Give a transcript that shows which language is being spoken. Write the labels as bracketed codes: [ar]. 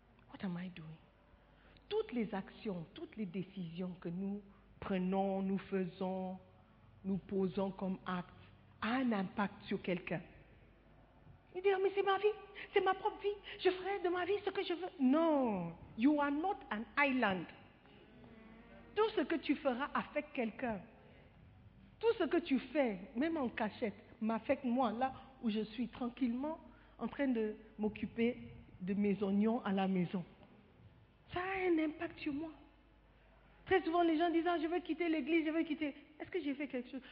[en] What am I doing? [fr] Toutes les actions, toutes les décisions que nous prenons, nous faisons, nous posons comme actes, a un impact sur quelqu'un. Il dit, mais c'est ma vie, c'est ma propre vie, je ferai de ma vie ce que je veux. Non, [en] you are not an island. [fr] Tout ce que tu feras affecte quelqu'un. Tout ce que tu fais, même en cachette, m'affecte moi, là où je suis tranquillement en train de m'occuper de mes oignons à la maison. Ça a un impact sur moi. Très souvent, les gens disent, ah, je veux quitter l'église, je veux quitter. Est-ce que j'ai fait quelque chose?